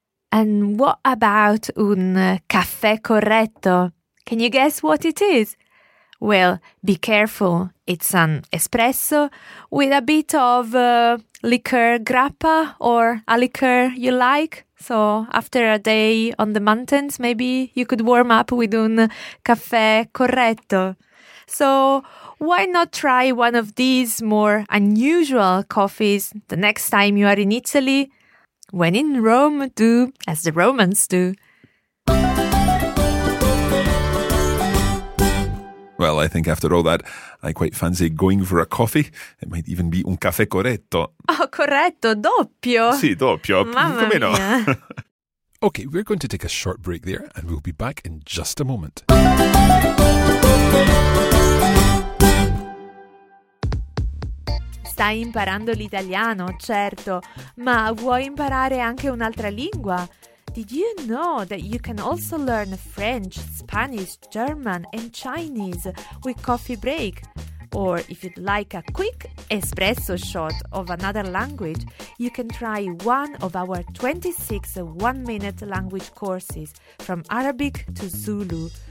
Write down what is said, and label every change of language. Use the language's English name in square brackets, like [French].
[English] And what about [Italian] un caffè corretto? [English] Can you guess what it is? Well, be careful. It's an espresso with a bit of liqueur grappa or a liqueur you like. So after a day on the mountains, maybe you could warm up with [Italian] un caffè corretto. [English] So why not try one of these more unusual coffees the next time you are in Italy? When in Rome, do as the Romans do. Well, I think after all that, I quite fancy going for a coffee. It might even be [Italian] un caffè corretto. Oh, corretto, doppio. Sì, doppio. Mamma mia. [English] Okay, we're going to take a short break there and we'll be back in just a moment. [Italian] Stai imparando l'italiano, certo, ma vuoi imparare anche un'altra lingua? [English] Did you know that you can also learn French, Spanish, German and Chinese with Coffee Break? Or if you'd like a quick espresso shot of another language, you can try one of our 26 one-minute language courses from Arabic to Zulu.